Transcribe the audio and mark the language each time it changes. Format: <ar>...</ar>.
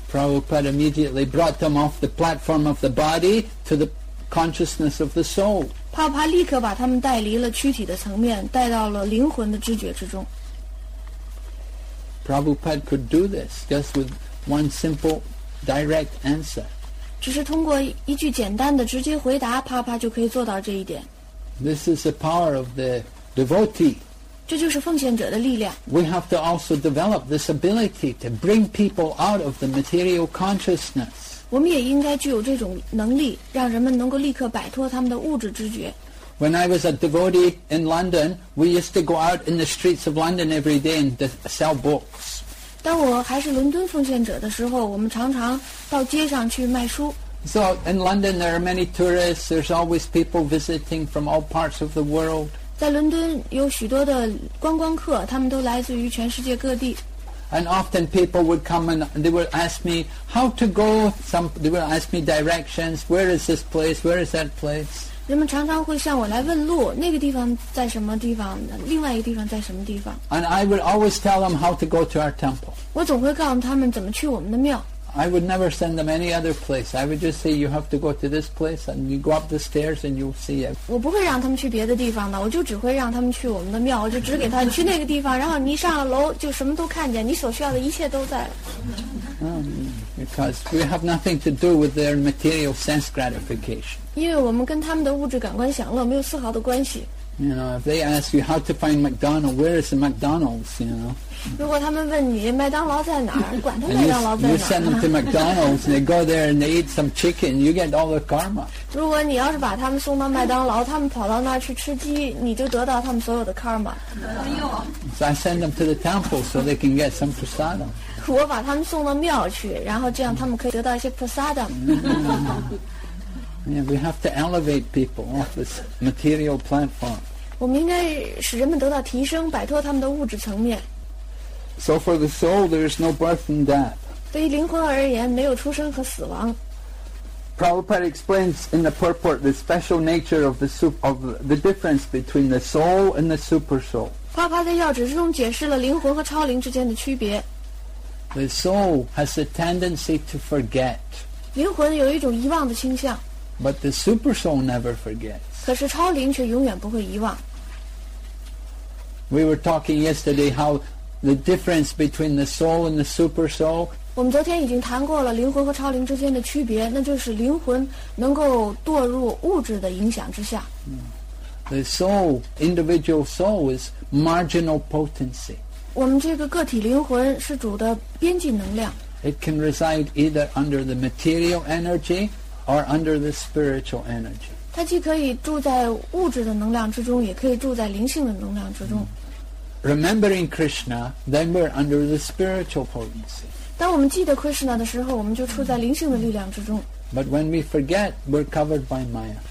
<en>Prabhupada immediately brought them off the platform of the body to the consciousness of the soul.</en> <zh>帕帕立刻把他们带离了躯体的层面，带到了灵魂的知觉之中。</zh> <en>Prabhupada could do this just with one simple, direct answer.</en> <zh>只是通过一句简单的直接回答，帕帕就可以做到这一点。</zh> <en>This is the power of the devotee.</en> <zh>这就是奉献者的力量。</zh> <en>We have to also develop this ability to bring people out of the material consciousness.</en> <zh>我们也应该具有这种能力，让人们能够立刻摆脱他们的物质知觉。</zh> <en>When I was a devotee in London, we used to go out in the streets of London every day and sell books.</en> <zh>当我还是伦敦奉献者的时候，我们常常到街上去卖书。</zh> <en>So in London, there are many tourists. There's always people visiting from all parts of the world.</en> <zh>在伦敦有许多的观光客，他们都来自于全世界各地。</zh> <en>And often people would come and they would ask me how to go. They would ask me directions. Where is this place? Where is that place?</en> <zh>人们常常会向我来问路，那个地方在什么地方？另外一个地方在什么地方</zh> <en>？And I would always tell them how to go to our temple.</en> <zh>我总会告诉他们怎么去我们的庙。</zh> <en>I would never send them any other place. I would just say you have to go to this place and you go up the stairs and you'll see it.</en> <zh>我不会让他们去别的地方的，我就只会让他们去我们的庙，我就指给他你去那个地方，然后你上了楼就什么都看见，你所需要的一切都在。</zh> <en>Because we have nothing to do with their material sense gratification.</en> <zh>因为我们跟他们的物质感官享乐没有丝毫的关系。</zh> <en>You know, if they ask you how to find McDonald's, where is the McDonald's, you know?</en> <zh>如果他们问你麦当劳在哪儿，管他麦当劳在哪儿。</zh> <en>You send them to McDonald's, and they go there and they eat some chicken, you get all the karma.</en> <zh>如果你要是把他们送到麦当劳，他们跑到那儿去吃鸡，你就得到他们所有的 karma.</zh> <en>So I send them to the temple so they can get some prasada.</en> <zh>我把他们送到庙去，然后这样他们可以得到一些 prasada.</zh> <en>Yeah, we have to elevate people off this material platform.</en> <zh>我们应该使人们得到提升，摆脱他们的物质层面。</zh> <en>So for the soul, there is no birth and death.</en> <zh>对于灵魂而言，没有出生和死亡。</zh> <en>Prabhupada explains in the purport the special nature of the difference between the soul and the super soul.</en> <zh>花花在要旨之中解释了灵魂和超灵之间的区别。</zh> <en>The soul has a tendency to forget.</en> <zh>灵魂有一种遗忘的倾向。</zh> <en>But the super soul never forgets.</en> <zh>可是超灵却永远不会遗忘。</zh> <en>We were talking yesterday how the difference between the soul and the super soul.</en> <zh>我们昨天已经谈过了灵魂和超灵之间的区别，那就是灵魂能够堕入物质的影响之下。</zh> <en>The soul, individual soul, is marginal potency.</en> <zh>我们这个个体灵魂是主的边际能量。</zh> <en>It can reside either under the material energy or under the spiritual energy.</en> <zh>它既可以住在物质的能量之中，也可以住在灵性的能量之中。</zh> <en>Remembering Krishna, then we're under the spiritual potency.</en> <zh>当我们记得 Krishna 的时候，我们就处在灵性的力量之中。</zh> <en>But when we forget, we're covered by Maya.</en>